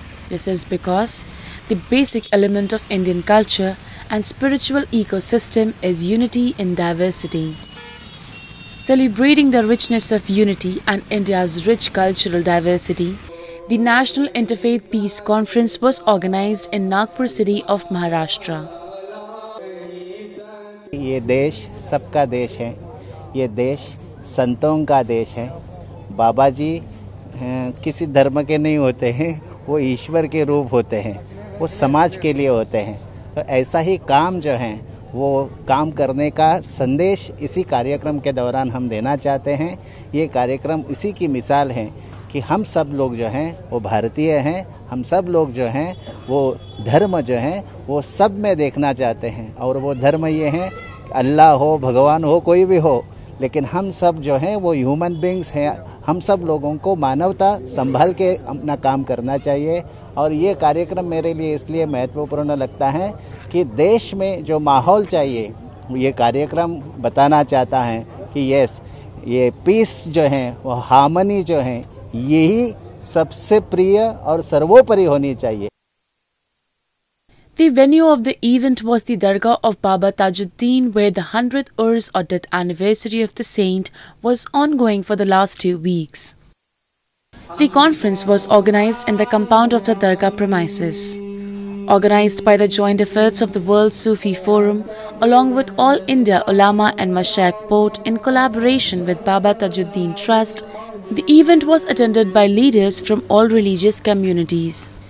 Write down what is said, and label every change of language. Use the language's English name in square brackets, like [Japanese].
[English] This is because the basic element of Indian culture and spiritual ecosystem is unity in diversity. Celebrating the richness of unity and India's rich cultural diversity, the National Interfaith Peace Conference was organized in Nagpur city of Maharashtra. [Hindi] ये देश सबका देश है, ये देश संतों का देश है। बाबा जी किसी धर्म के नहीं होते हैं, वो ईश्वर के रूप होते हैं, वो समाज के लिए होते हैं। तो ऐसा ही काम जो है वो काम करने का संदेश इसी कार्यक्रम के दौरान हम देना चाहते हैं। ये कार्यक्रम इसी की मिसाल है कि हम सब लोग जो हैं वो भारतीय हैं, हम सब लोग जो हैं वो धर्म जो हैं वो सब में देखना चाहते हैं, और वो धर्म ये हैं अल्लाह हो, भगवान हो, कोई भी हो, लेकिन हम सब जो हैं वो [English] human beings [Hindi] हैं। हम सब लोगों को मानवता संभाल के अपना काम करना चाहिए, और ये कार्यक्रम मेरे लिए इसलिए महत्वपूर्ण लगता है कि देश में जो माहौल चाहिए ये कार्यक्रम बताना चाहता है कि [English] yes, [Hindi] ये पीस जो हैं वो हार्मनी जो हैं यही सबसे प्रिय और सर्वोपरि होनी चाहिए। [English] The venue of the event was the Dargah of Baba Tajuddin, where the 100th Urs or death anniversary of the saint was ongoing for the last 2 weeks. The conference was organized in the compound of the Dargah premises. Organized by the joint efforts of the World Sufi Forum along with All India Ulama and Mashayikh Board in collaboration with Baba Tajuddin Trust, the event was attended by leaders from all religious communities.